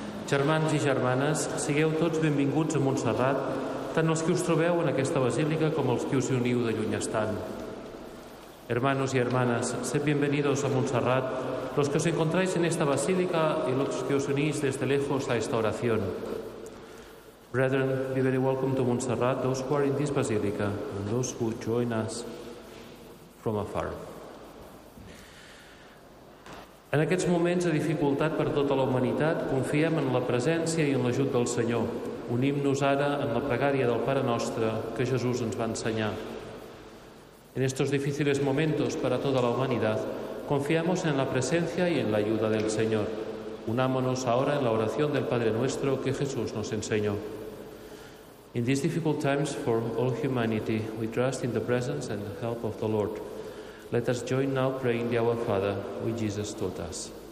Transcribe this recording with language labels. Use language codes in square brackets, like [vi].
[ca] Germans i germanes, sigueu tots benvinguts a Montserrat, tant els que us trobeu en aquesta basílica com els que us uniu de lluny estant. [es] Hermanos y hermanas, sed bienvenidos a Montserrat, los que os encontráis en esta basílica y los que os unís desde lejos a esta oración. [en] Brethren, be very welcome to Montserrat, those who are in this basílica and those who join us from afar. [ca] En aquests moments de dificultat per tota la humanitat, confiem en la presència i en l'ajut del Senyor. Unim-nos ara en la pregària del Pare Nostre que Jesús ens va ensenyar. [es] En estos difíciles momentos para toda la humanidad, confiamos en la presencia y en la ayuda del Señor. Unámonos ahora en la oración del Padre Nuestro que Jesús nos enseñó. [en] In these difficult times for all humanity, we trust in the presence and the help of the Lord. Let us join now praying the Our Father, which Jesus taught us.